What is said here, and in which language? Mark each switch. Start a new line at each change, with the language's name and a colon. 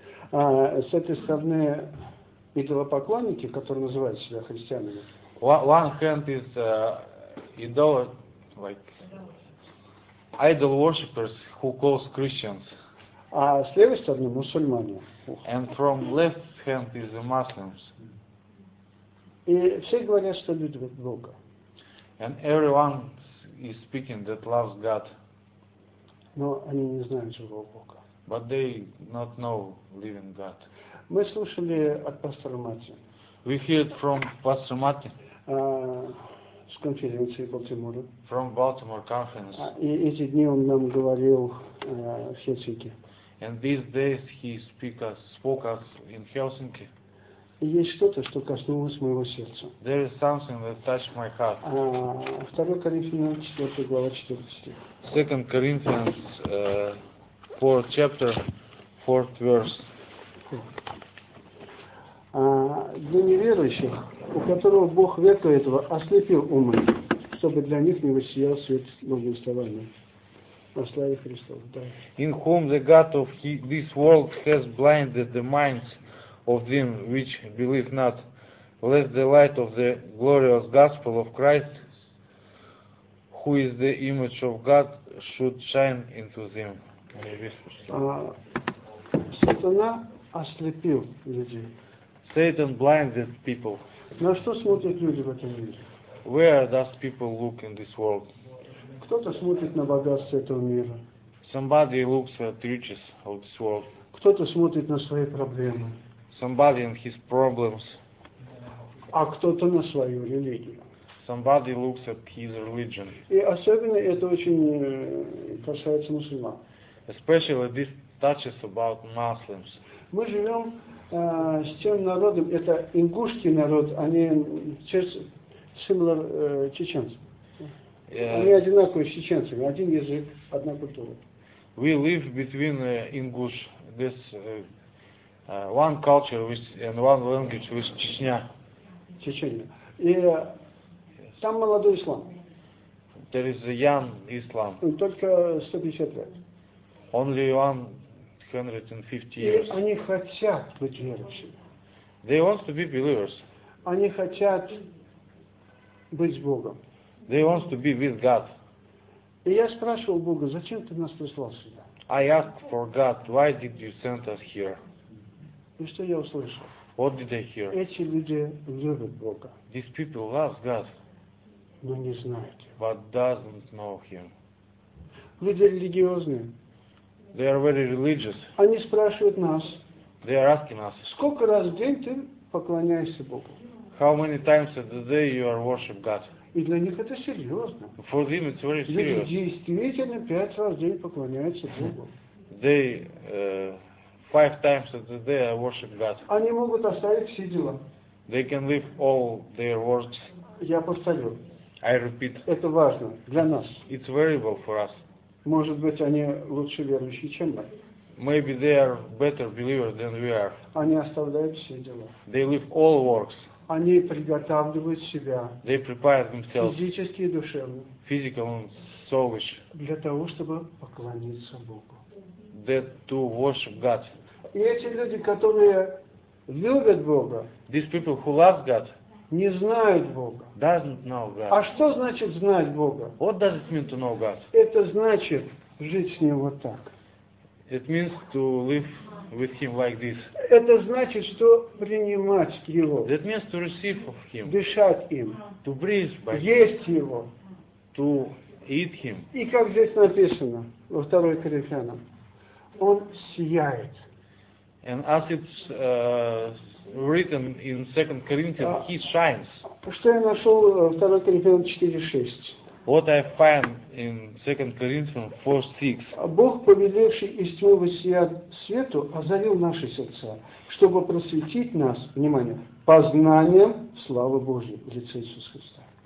Russian: С этой стороны идолопоклонники, которые называют себя христианами.
English: One hand is idol, like idol worshippers who calls Christians.
Russian: А с левой стороны мусульмане.
English: And from left hand is the Muslims.
Russian: И все говорят, что любят Бога.
English: And everyone is speaking that loves God.
Russian: Но они не знают живого Бога.
English: But they not know living God.
Russian: Мы слушали от пастора Мати.
English: We heard from Pastor Mati.
Russian: С конференции в Балтиморе.
English: From Baltimore conference.
Russian: И эти дни он нам говорил в Хельсинки.
English: And these days he spoke us in Helsinki.
Russian: И есть что-то, что коснулось моего сердца.
English: There is something that touched my heart.
Russian: 2 Коринфянам 4 глава 4 стих.
English: 2 Corinthians 4 chapter 4 verse.
Russian: Для неверующих, у которого Бог века этого ослепил умы, чтобы для них не воссиял свет благовествования о славе Христовой. Да.
English: In whom the God of this world has blinded the minds of them which believe not, lest the light of the glorious gospel of Christ, who is the image of God, should shine into them.
Russian: Сатана ослепил людей.
English: Satan blinded people.
Russian: На что смотрят люди в этом мире?
English: Where does people look in this world?
Russian: Кто-то смотрит на богатство этого мира.
English: Somebody looks at riches of this world.
Russian: Кто-то смотрит на свои проблемы.
English: Somebody and his problems.
Russian: А кто-то на свою религию.
English: Somebody looks at his religion.
Russian: И особенно это очень касается мусульман.
English: Especially this touches about Muslims.
Russian: Мы живем с тем народом, это ингушский народ, они
English: similar
Russian: чеченцы. Они одинаковые с чеченцами, один язык, одна культура.
English: We live between ingush, this one culture with, and one language with Чечня.
Russian: Чечня. И там молодой ислам.
English: There is a young Islam.
Russian: Только 150 лет.
English: Only 150 years.
Russian: И они хотят быть верующими.
English: They want to be believers.
Russian: Они хотят быть с Богом.
English: They want to be with God.
Russian: И я спрашивал Бога, зачем ты нас прислал сюда?
English: I asked for God, why did you send us here?
Russian: И что я услышал?
English: What did I hear?
Russian: Эти люди любят Бога.
English: These people love God.
Russian: Но не знают.
English: But doesn't know Him.
Russian: Люди религиозные.
English: They are very religious.
Russian: Они спрашивают нас.
English: They are asking us.
Russian: Сколько раз в день ты поклоняешься Богу?
English: How many times a day you are worship God?
Russian: И для них это серьезно.
English: For them it's very serious.
Russian: Люди действительно 5 раз в день поклоняются Богу.
English: They 5 times a day I worship God.
Russian: Они могут оставить все дела.
English: They can leave all their works.
Russian: Я повторю.
English: I repeat.
Russian: Это важно для нас.
English: It's valuable for us.
Russian: Может быть, они лучше верующие, чем мы.
English: Maybe they are better believers than we are.
Russian: Они оставляют все дела.
English: They leave all works.
Russian: Они приготавливают себя.
English: They prepare themselves.
Russian: Физически и душевно.
English: Physical and soulish.
Russian: Для того, чтобы поклониться Богу.
English: That to worship God.
Russian: И эти люди, которые любят Бога.
English: These people who love God.
Russian: Не знают Бога.
English: Doesn't know God.
Russian: А что значит знать Бога?
English: What does it mean to know God?
Russian: Это значит жить с Ним вот так.
English: It means to live with Him like this.
Russian: Это значит, что принимать Его.
English: That means to receive of Him.
Russian: Дышать им.
English: To breathe by Him.
Russian: Есть Его.
English: To eat Him.
Russian: И как здесь написано во 2 Коринфянам, Он сияет.
English: And as it's written in 2 Corinthians, He shines.
Russian: Что я нашел в 2 Коринфянам 4:6?
English: What I find in 2 Corinthians 4:6?
Russian: Бог, повелевший из тьмы воссиять свету, озарил наши сердца, чтобы просветить нас, внимание, познанием славы Божьей в лице Иисуса Христа.